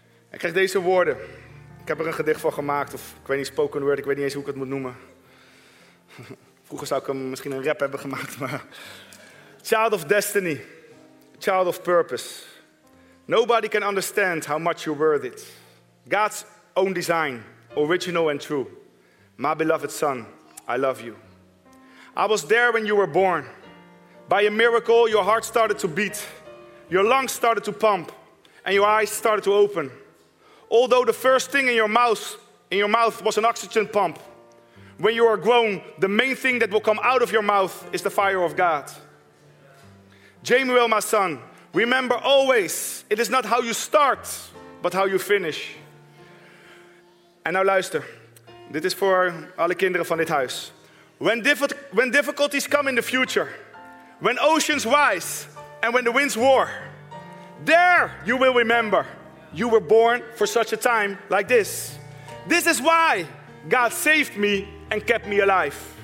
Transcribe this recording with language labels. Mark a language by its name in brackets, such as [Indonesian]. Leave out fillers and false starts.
[Dutch] Ik krijg deze woorden. Ik heb er een gedicht van gemaakt. Of ik weet niet, spoken word. Ik weet niet eens hoe ik het moet noemen. Vroeger zou ik hem misschien een rap hebben gemaakt. Maar [English] child of destiny. Child of purpose. Nobody can understand how much you're worth it. God's own design. Original and true. My beloved son, I love you. I was there when you were born. By a miracle, your heart started to beat. Your lungs started to pump. And your eyes started to open. Although the first thing in your mouth was an oxygen pump. When you are grown, the main thing that will come out of your mouth is the fire of God. Jamuel, my son, remember always, it is not how you start, but how you finish. [Dutch] En nou luister, dit is voor alle kinderen van dit huis. [English] When difficulties come in the future, when oceans rise and when the winds roar, there you will remember. You were born for such a time like this. This is why God saved me and kept me alive.